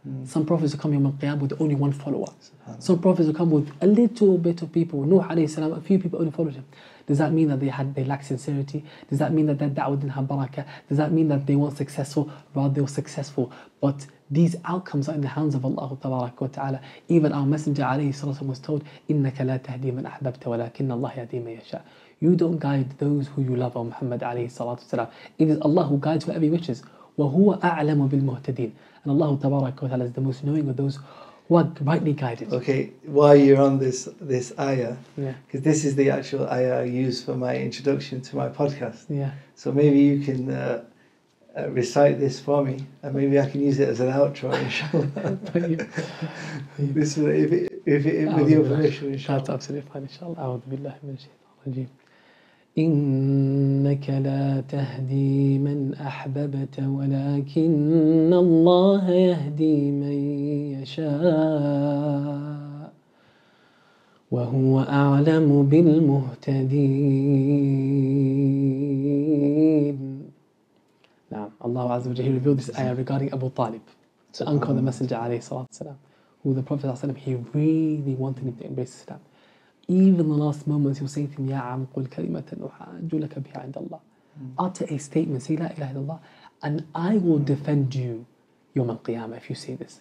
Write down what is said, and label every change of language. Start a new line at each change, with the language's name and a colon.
English: Some prophets will come Yawm al-Qiyamah with only one follower. Some prophets will come with a little bit of people. Nuh alayhi salam, a few people only followed him. Does that mean that they lacked sincerity? Does that mean that their da'wah didn't have barakah? Does that mean that they weren't successful? Rather, they were successful. But these outcomes are in the hands of Allah Tabarak wa Ta'ala. Even our Messenger alayhi salam was told,
Arabic: إِنَّكَ لَا تَهْدِي مَنْ أَحْبَبْتَ وَلَكِنَّ اللَّهِ يَهْدِي مَنْ يَشَاءُ.
English: You don't guide those who you love, O Muhammad alayhi salatu wasalam. It is Allah who guides whoever he wishes.
Arabic: وَهُوَ أَعْلَمُ بِالْمُهْتَدِينَ.
English: And Allah Tabarak wa Ta'ala is the most knowing of those what rightly guided. Okay, while you're on this ayah, because this is the actual ayah I use for my introduction to my podcast. Yeah. So maybe you can recite this for me, and maybe I can use it as an outro, inshallah. with your permission, inshallah. That's absolutely fine, inshallah.
Arabic: A'udhu billahi min shaytanir rajeem. إنك لا تهدي من أحببت ولكن الله يهدي من يشاء وهو أعلم بالمهتدين. نعم.
English: الله عز وجل revealed this ayah regarding Abu Talib, the uncle of the Messenger عليه الصلاة والسلام, who the Prophet صلى الله عليه وسلم, he really wanted him to embrace Islam. Even the last moments, he'll say to him,
Arabic: "Ya am qul kalimatan uhajju laka biha 'inda Allah."
English: Utter a statement, say
Arabic: la ilaha illallah,
English: and I will defend you yawm al-qiyamah if you say this.